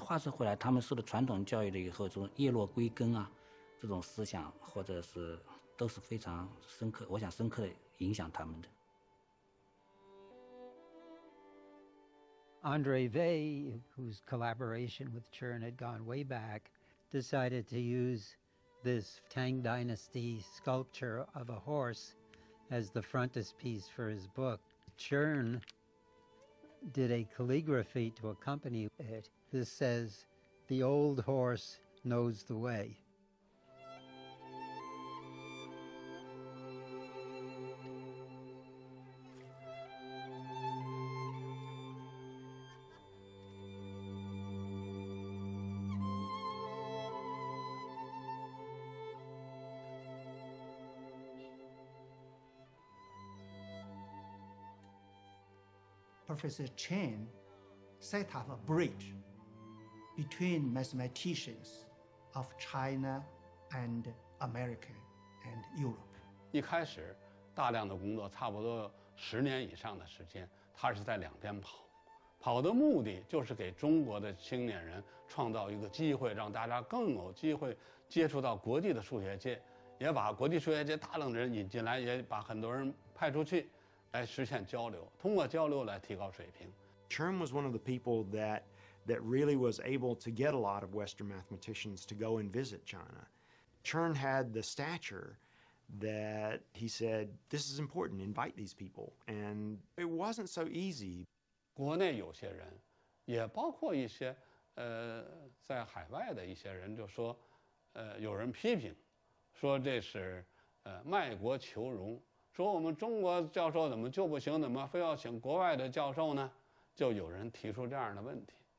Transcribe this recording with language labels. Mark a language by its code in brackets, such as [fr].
[zh] 他那个时代有很多科学家到西方去，很著名的，在西方这个待了很长时间以后，到他们晚年都会回国帮助这个祖国的发展，不光陈先生，比如像杨振宁、李政道等等。这个，而话说回来，他们受了传统教育的以后，这种叶落归根啊。这种思想或者是都是非常深刻，我想深刻的影响他们的。Andre [en] Vey, whose collaboration with Chern had gone way back, decided to use this Tang Dynasty sculpture of a horse as the frontispiece for his book. Chern did a calligraphy to accompany it. This says, "The old horse knows the way." Professor Chen set up a bridge between mathematicians of China and America and Europe. [zh] 一开始大量的工作，差不多十年以上的时间，他是在两边跑，跑的目的就是给中国的青年人创造一个机会，让大家更有机会接触到国际的数学界。也把国际数学界大量的人引进来，也把很多人派出去，来实现交流，通过交流来提高水平。 [en] Chern was one of the people that really was able to get a lot of Western mathematicians to go and visit China. Chern had the stature that he said, this is important, invite these people. And it wasn't so easy. [zh] 国内有些人，也包括一些在海外的一些人就说有人批评说这是卖国求荣，说我们中国教授怎么就不行，怎么非要请国外的教授呢，就有人提出这样的问题。